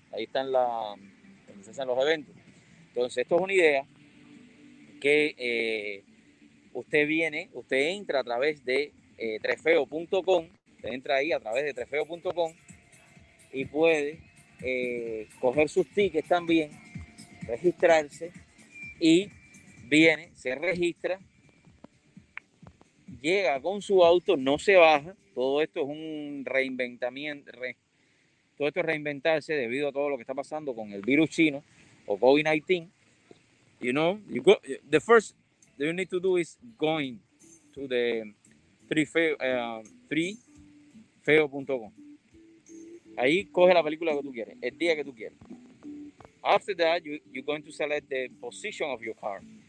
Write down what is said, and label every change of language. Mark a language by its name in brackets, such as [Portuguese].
[Spanish] Ahí están donde se hacen los eventos. Entonces, esto es una idea que usted entra a través de trefeo.com, usted entra ahí a través de trefeo.com y puede coger sus tickets también, registrarse y viene, se registra, llega con su auto, no se baja. Todo esto es un reinventamiento, todo esto es reinventarse debido a todo lo que está pasando con el virus chino o COVID-19. [English] You know, you go, the first thing you need to do is going to the trefeo.com. [Spanish] Ahí coge la película que tú quieres, el día que tú quieres. [English] After that, you're going to select the position of your car.